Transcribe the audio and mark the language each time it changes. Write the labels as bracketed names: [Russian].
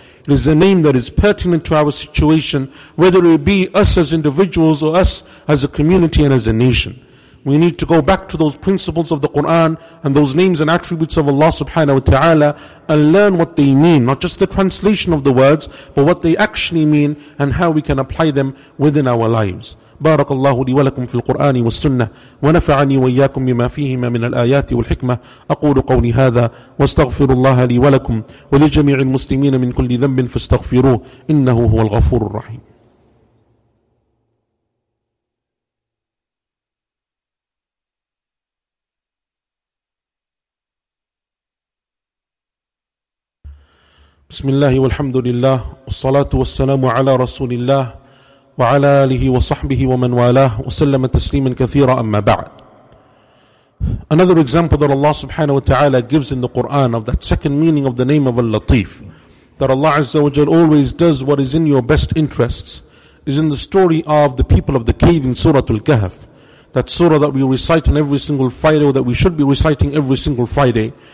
[English] It is a name that is pertinent to our situation, whether it be us as individuals or us as a community and as a nation. We need to go back to those principles of the Quran and those names and attributes of Allah subhanahu wa ta'ala and learn what they mean, not just the translation of the words, but what they actually mean and how we can apply them within our lives. [Arabic] بارك الله لي ولكم في القرآن والسنة ونفعني وإياكم بما فيهما من الآيات والحكمة أقول قولي هذا واستغفر الله لي ولكم ولجميع المسلمين من كل ذنب فاستغفروه إنه هو الغفور الرحيم. بسم الله والحمد لله والصلاة والسلام على رسول الله وعلى آله وصحبه ومن والاه وسلم تسليما كثيرا أما بعد. [English] Another example that Allah subhanahu wa ta'ala gives in the Quran of that second meaning of the name of Al-Latif, that Allah Azza wa Jal always does what is in your best interests, is in the story of the people of the cave in Surah Al-Kahf. That surah that we recite on every single Friday, or that we should be reciting every single Friday.